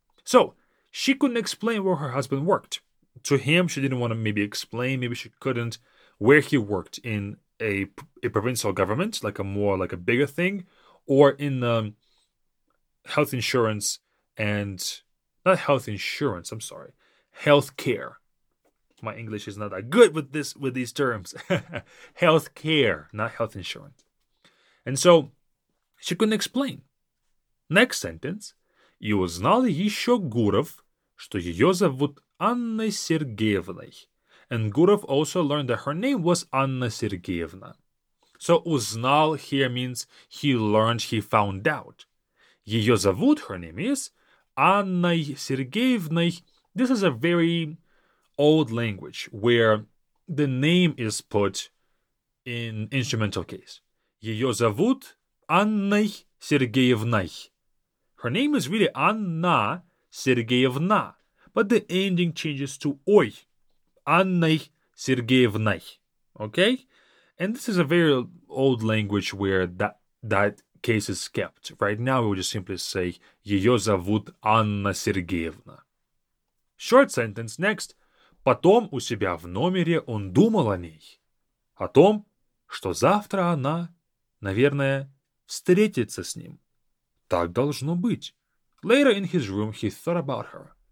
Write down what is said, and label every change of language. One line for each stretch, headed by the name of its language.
English: So she couldn't explain where her husband worked. To him, she didn't want to maybe explain, maybe she couldn't, where he worked in a provincial government, like a more, like a bigger thing, or in health insurance and, not health insurance, I'm sorry, health care. My English is not that good with these terms. Health care, not health insurance. And so she couldn't explain. Next sentence.
Russian: И узнал еще Гуров, что ее зовут Анной Сергеевной.
English: And Gurov also learned that her name was Anna Sergeyevna. So uznal here means he learned, he found out. Ее зовут, her name is Anna Sergeyevna. This is a very old language where the name is put in instrumental case.
Russian: Ее зовут Анна Сергеевна.
English: Her name is really Anna Sergeyevna, but the ending changes to ой.
Russian: Анной Сергеевной, okay?
English: And this is a very old language where that case is kept. Right now, we would just simply say, ее зовут Анна Сергеевна. Short sentence, next.
Russian: Потом у себя в номере он думал о ней. О том, что завтра она, наверное, встретится с ним. Так должно быть.
English: Later in his room, he thought about her.